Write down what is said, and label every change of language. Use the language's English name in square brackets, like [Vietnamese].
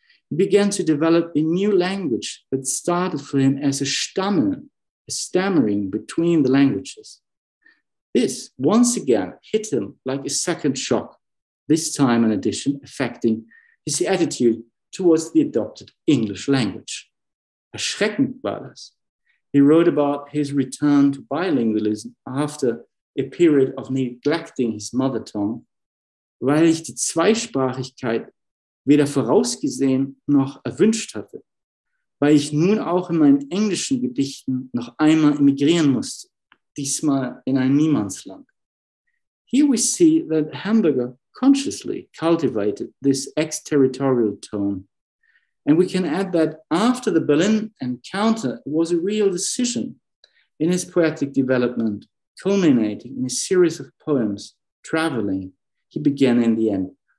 [English] He began to develop a new language that started for him as a stammer, a stammering between the languages. This once again hit him like a second shock, this time in addition affecting his attitude towards the adopted English language. [German] Erschreckend war das. [English] He wrote about his return to bilingualism after a period of neglecting his mother tongue, [German] weil ich die Zweisprachigkeit weder vorausgesehen noch erwünscht hatte, weil ich nun auch in meinen englischen Gedichten noch einmal emigrieren musste, diesmal in ein Niemandsland. [English] Here we see that Hamburger consciously cultivated this ex-territorial tone. And we can add that after the Berlin encounter, it was a real decision in his poetic development, culminating in a series of poems, Traveling, he began in the end.